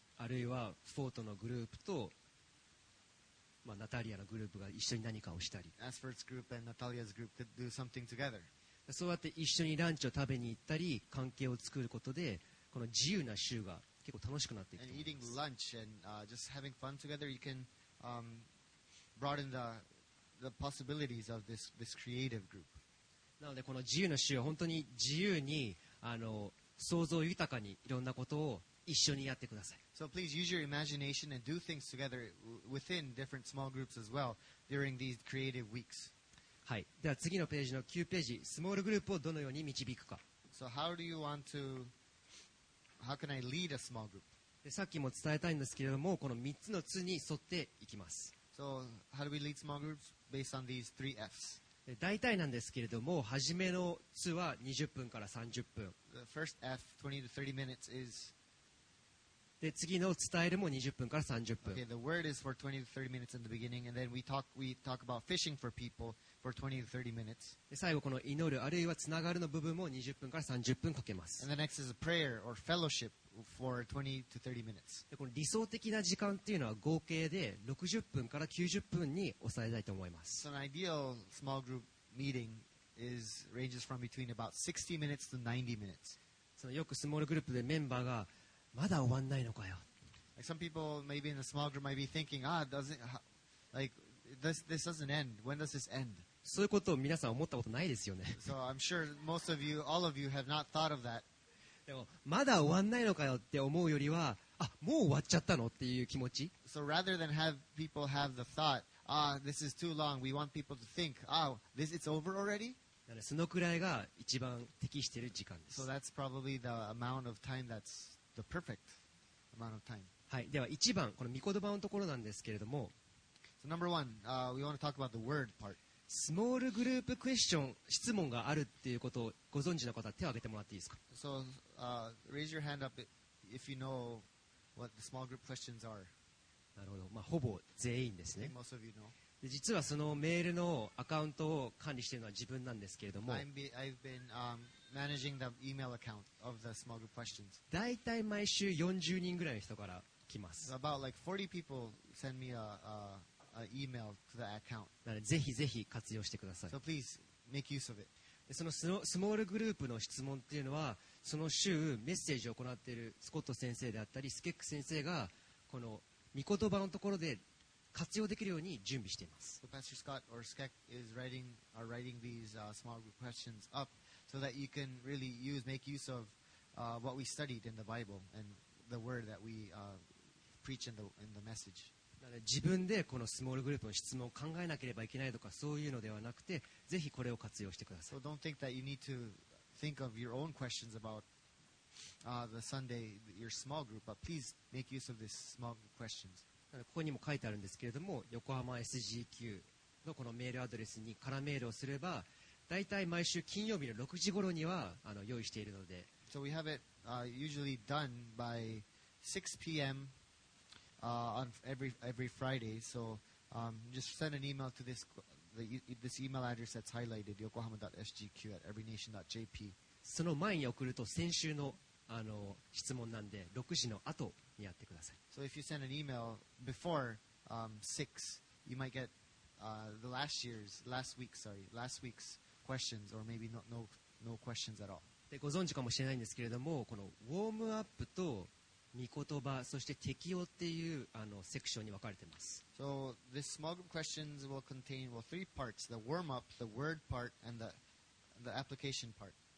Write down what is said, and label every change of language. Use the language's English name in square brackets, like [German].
[Japanese] あるいはフォートのグループと、まあ、ナタリアのグループが一緒に何かをしたり。 [English] Asford's group and Natalia's group could do something together. [Japanese] そうやって一緒にランチを食べに行ったり、関係を作ることで、この自由な週が結構楽しくなっていくと思います。 [English] And eating lunch and just having fun together, you can, broaden the possibilities of this creative group. [Japanese] なのでこの自由の週は本当に自由にあの想像豊かにいろんなことを一緒にやってください。 [English] So please use your imagination and do things together within different small groups as well during these creative weeks. [Japanese] はい。では次のページの9ページ、スモールグループをどのように導くか。 [English] So how do you want to, how can I lead a small group? [Japanese] でさっきも伝えたいんですけれども、この3つの図に沿っていきます。 [English] So, how do we lead small groups based on these three Fs? [Japanese] 大体なんですけれども、初めの図は20分から30分。 [English] The first F, 20 to 30 minutes is... [Japanese] で、次の伝えるも20分から30分。 [English] Okay, the word is for 20 to 30 minutes in the beginning, and then we talk about fishing for people for 20 to 30 minutes. [Japanese] で、最後この祈る、あるいはつながるの部分も20分から30分かけます。 [English] And the next is a prayer or fellowship. For 20 to 30 minutes. [Japanese] でこの理想的な時間っていうのは合計で60分から90分に抑えたいと思います。 [English] So an ideal small group meeting ranges from between about 60 minutes to 90 minutes. [Japanese] そのよくスモールグループでメンバーがまだ終わんないのかよ。 [English] Like some people maybe in a small group might be thinking, ah, doesn't like this doesn't end. When does this end? [Japanese] そういうことを皆さん思ったことないですよね。 [English] So I'm sure most of you, all of you have not thought of that. [Japanese] でもまだ終わんないのかよって思うよりは、あ、もう終わっちゃったのっていう気持ち。 [English] So rather than have people have the thought, ah, this is too long, we want people to think, ah, this it's over already? [Japanese] そのくらいが一番適している時間です。 [English] So that's probably the amount of time that's the perfect amount of time. [Japanese] はい、では一番、この御言葉のところなんですけれども。 [English] So number one, we want to talk about the word part. [Japanese] スモールグループクエスチョン質問があるっていうことをご存知の方は手を挙げてもらっていいですか。 [English] So, raise your hand up if you know what the small group questions are. [Japanese] なるほど、まあ、ほぼ全員ですね。 [English] Most of you know. [Japanese] で実はそのメールのアカウントを管理しているのは自分なんですけれども、 [English] I've been, managing the email account of the small group questions. [Japanese] だいたい毎週40人ぐらいの人から来ます。 [English] About like 40 people send me email to the account. [Japanese] なのでぜひぜひ活用してください。 [English] So please make use of it. [Japanese] でその スモールグループの質問っていうのはその週メッセージを行っているスコット先生であったりスケック先生がこの御言葉のところで活用できるように準備しています。 [English] So Pastor Scott or Skek is writing, are writing these, small group questions up so that you can really use, make use of, what we studied in the Bible and the word that we, preach in the message. [Japanese] 自分でこのスモールグループの質問を考えなければいけないとかそういうのではなくてぜひこれを活用してください。 [English] So don't think that you need to think of your own questions about, the Sunday, your small group, but please make use of these small questions. [Japanese] ここにも書いてあるんですけれども横浜 SGQ のこのメールアドレスに空メールをすればだいたい毎週金曜日の6時頃には用意しているので [English] So we have it, usually done by 6 p.m. on every Friday. So, just send an email to this email address that's highlighted, yokohama.sgq@everynation.jp. [Japanese] その前に送ると先週の、質問なんで、6時の後にやってください。 [English] So if you send an email before, 6, you might get, the last year's, last week, sorry, last week's questions, or maybe not, no, no questions at all. [Japanese] で、ご存知かもしれないんですけれども、このウォームアップと御言葉そして適用っていうセクションに分かれてます。 [English] So this small group questions will contain well, three parts: the warm up, the word part, and the application part.